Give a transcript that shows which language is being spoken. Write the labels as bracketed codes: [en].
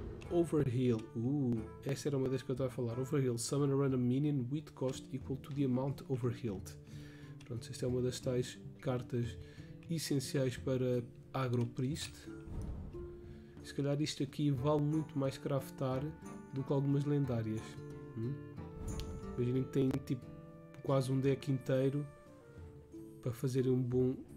[pt] Overheal, essa era uma das que eu estava a falar. [en] Overheal, summon a random minion with cost equal to the amount overhealed. [pt] Pronto, esta é uma das tais cartas essenciais para Agro Priest. Se calhar isto aqui vale muito mais craftar do que algumas lendárias. Imaginem que têm tipo quase um deck inteiro para fazer um bom.